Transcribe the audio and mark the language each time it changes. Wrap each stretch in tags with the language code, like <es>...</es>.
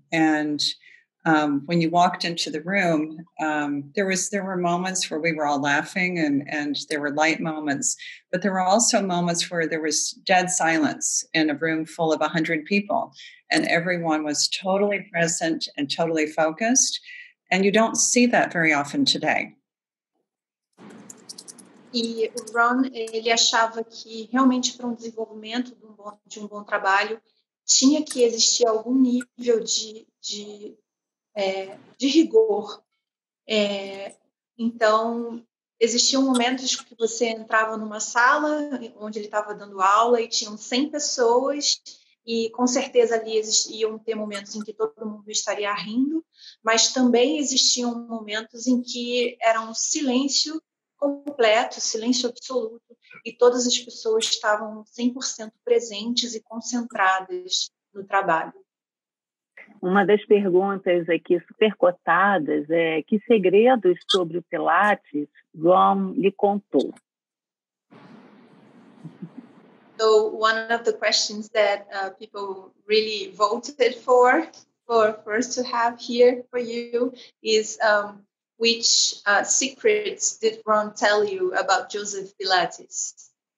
<en>And when you walked into the room, there were moments where we were all laughing and there were light moments, but there were also moments where there was dead silence in a room full of 100 people, and everyone was totally present and totally focused. And you don't see that very often today.</en> <pt>E o Ron, ele achava que realmente para um desenvolvimento de um bom trabalho tinha que existir algum nível de rigor. Então, existiam momentos que você entrava numa sala onde ele estava dando aula e tinham 100 pessoas. E com certeza ali iam ter momentos em que todo mundo estaria rindo, mas também existiam momentos em que era um silêncio completo, silêncio absoluto, e todas as pessoas estavam 100% presentes e concentradas no trabalho. Uma das perguntas aqui supercotadas é: que segredos sobre o Pilates João lhe contou?</pt> <en>So one of the questions that people really voted for us to have here for you is which secrets did Ron tell you about Joseph Pilates?</en>